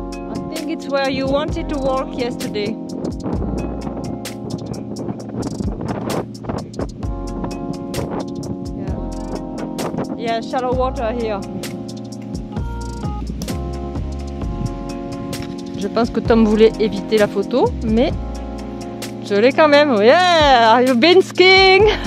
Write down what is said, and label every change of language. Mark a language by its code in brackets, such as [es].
[en] I think it's where you wanted to walk yesterday. Yeah. Yeah, shallow water here. [fr] Je pense que Tom voulait éviter la photo, mais Je l'ai quand même. [en] Yeah, are you been skiing?